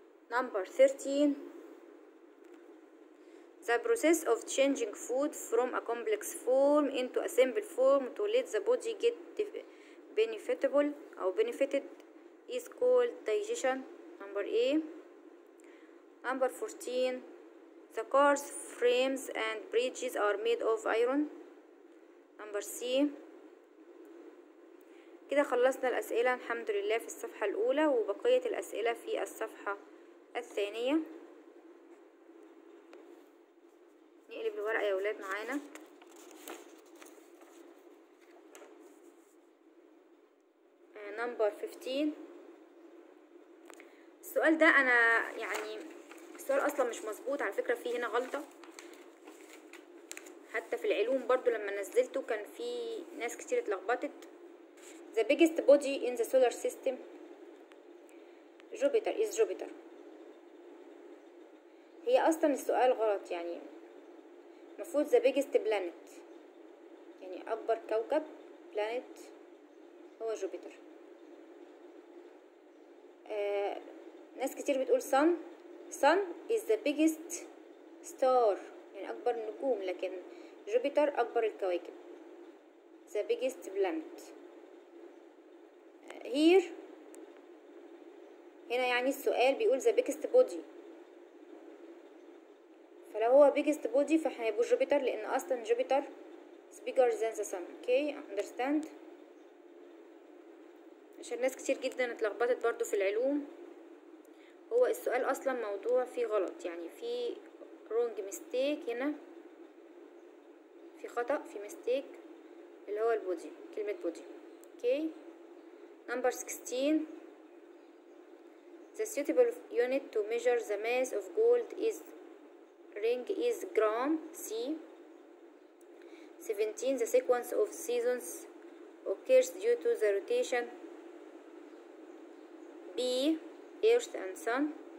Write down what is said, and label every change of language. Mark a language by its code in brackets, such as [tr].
[en] Number 13 the process of changing food from a complex form into a simple form to let the body get benefitable or benefited is called digestion. Number A. Number 14 the cars, frames and bridges are made of iron. Number C. [ar] كده خلصنا الأسئلة الحمد لله في الصفحة الأولى وبقية الأسئلة في الصفحة الثانية. نقلب الورقة يا أولاد معانا. نمبر 15 السؤال ده أنا يعني السؤال أصلا مش مظبوط على فكرة, فيه هنا غلطة حتى في العلوم برضو لما نزلته كان في ناس كتير اتلخبطت. [en] The biggest body in the solar system Jupiter is Jupiter. [ar] هي أصلا السؤال غلط, يعني مفروض [en] the biggest planet [ar] يعني أكبر كوكب planet هو Jupiter. ناس كتير بتقول [en] sun is the biggest star [ar] يعني أكبر النجوم, لكن جوبيتر أكبر الكواكب [en] the biggest planet. [ar] هنا يعني السؤال بيقول the biggest body, فلو هو biggest body فاحنا يبقى جوبيتر لأن أصلا جوبيتر [en] is bigger than the sun. okay understand, [ar] عشان ناس كتير جدا اتلخبطت برضو في العلوم. هو السؤال اصلا موضوع فيه غلط, يعني فيه [en] wrong mistake, [ar] هنا في خطأ في mistake اللي هو البودي كلمة بودي. [en] okay number 16 the suitable unit to measure the mass of gold is ring is gram c. 17 the sequence of seasons occurs due to the rotation B earth and sun.